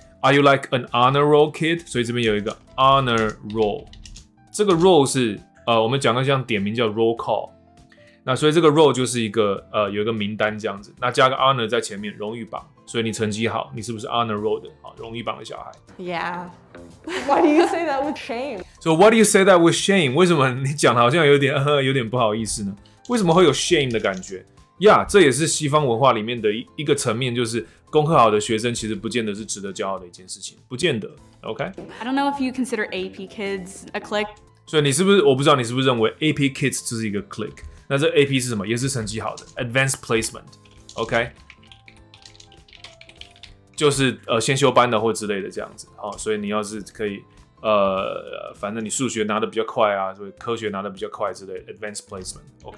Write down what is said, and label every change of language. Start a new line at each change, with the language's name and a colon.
English: Are you like an honor roll kid?
Chinese: 所以这边有一个 honor roll， 这个 roll 是我们讲到像点名叫 roll call。那所以这个 roll 就是一个有一个名单这样子，那加个 honor 在前面，荣誉榜。所以你成绩好，你是不是 honor roll 的啊？荣誉榜的小孩。
English: Yeah. Why do you say that with shame? So why do you say that with shame?
Chinese: 为什么你讲的好像有点不好意思呢？为什么会有 shame 的感觉？ Yeah， 这也是西方文化里面的一个层面，就是功课好的学生其实不见得是值得骄傲的一件事情，不见得。
English: OK. I don't know if you consider AP kids a clique.
Chinese: 所以你是不是我不知道你是不是认为 AP kids 就是一个 clique？ 那这 AP 是什么？也是成绩好的 ，Advanced Placement， OK， 就是先修班的或之类的这样子。好、哦，所以你要是可以反正你数学拿得比较快啊，所以科学拿得比较快之类的 ，Advanced Placement。Okay.